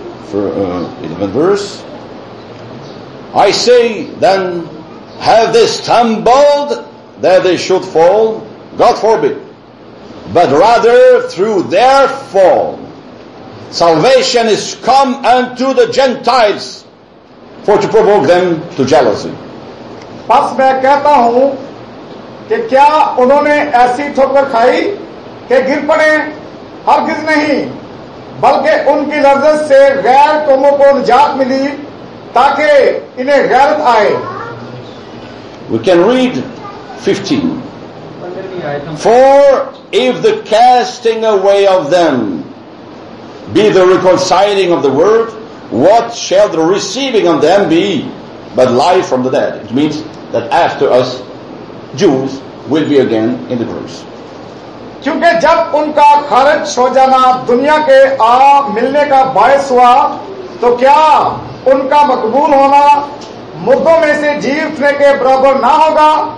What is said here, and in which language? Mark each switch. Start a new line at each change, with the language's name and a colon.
English: For 11 verse. I say then, have they stumbled that they should fall? God forbid. But rather through their fall salvation is come unto the Gentiles for to provoke them to jealousy.
Urdu: پس میں کہتا ہوں کہ کیا انہوں نے ایسی ٹھوکر کھائی کہ گر پڑے؟ ہرگز نہیں, بلکہ ان کی لرزش سے غیر قوموں کو نجات ملی تاکہ انہیں غیرت آئے.
English: We can read 15. For if the casting away of them be the reconciling of the world, what shall the receiving of them be but life from the dead? It means that after us, Jews will be again in the groups.
Urdu: کیونکہ جب ان کا خارج ہو جانا دنیا کے آ ملنے کا باعث ہوا تو کیا ان کا مقبول ہونا مردوں میں سے جی اٹھنے کے برابر نہ ہوگا؟